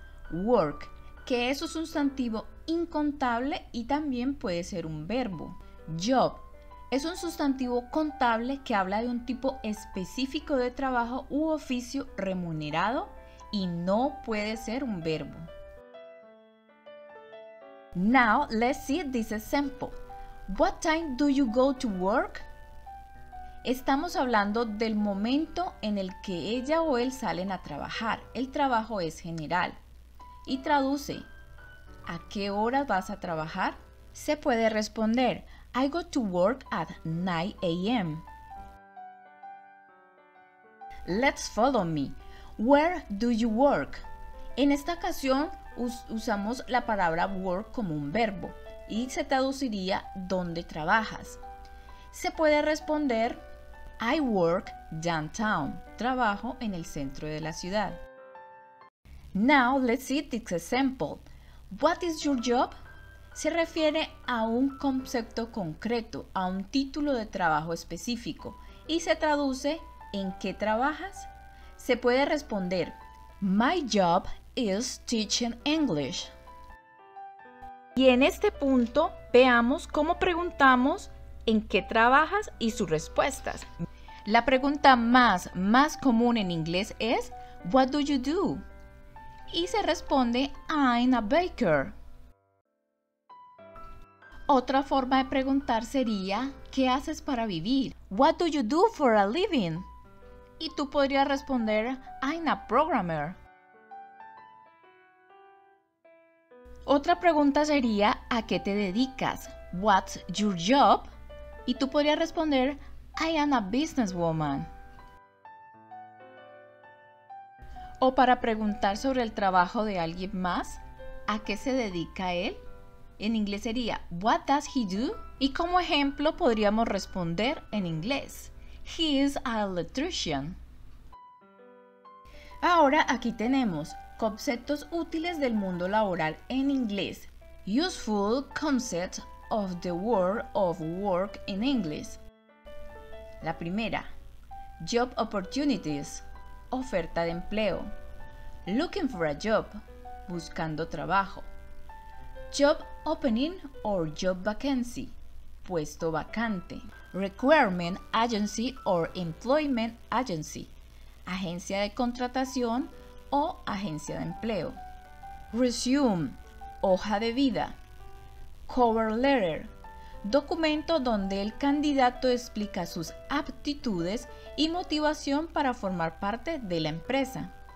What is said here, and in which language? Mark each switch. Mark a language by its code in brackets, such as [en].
[es] Work, que es un sustantivo incontable y también puede ser un verbo. Job es un sustantivo contable que habla de un tipo específico de trabajo u oficio remunerado y no puede ser un verbo. [en] Now, let's see this example. What time do you go to work? [es] Estamos hablando del momento en el que ella o él salen a trabajar. El trabajo es general. Y traduce, ¿a qué hora vas a trabajar? Se puede responder, [en] I go to work at 9 a.m. Let's follow me. Where do you work? [es] En esta ocasión, usamos la palabra work como un verbo y se traduciría ¿dónde trabajas? Se puede responder [en] I work downtown, [es] trabajo en el centro de la ciudad. [en] Now let's see this example. What is your job? [es] Se refiere a un concepto concreto, a un título de trabajo específico y se traduce ¿en qué trabajas? Se puede responder [en] My job is teaching English. [es] Y en este punto veamos cómo preguntamos en qué trabajas y sus respuestas. La pregunta más común en inglés es [en] What do you do? [es] Y se responde [en] I'm a baker. [es] Otra forma de preguntar sería ¿qué haces para vivir? [en] What do you do for a living? [es] Y tú podrías responder [en] I'm a programmer. [es] Otra pregunta sería, ¿a qué te dedicas? [en] What's your job? [es] Y tú podrías responder, [en] I am a businesswoman. [es] O para preguntar sobre el trabajo de alguien más, ¿a qué se dedica él? En inglés sería, [en] What does he do? [es] Y como ejemplo podríamos responder en inglés, [en] He is an electrician. [es] Ahora aquí tenemos conceptos útiles del mundo laboral en inglés. [en] Useful concepts of the world of work in English. [es] La primera, [en] job opportunities, [es] oferta de empleo. [en] Looking for a job, [es] buscando trabajo. [en] Job opening or job vacancy, [es] puesto vacante. [en] Recruitment agency or employment agency. [es] Agencia de contratación o agencia de empleo. Resume, hoja de vida. Cover letter, documento donde el candidato explica sus aptitudes y motivación para formar parte de la empresa.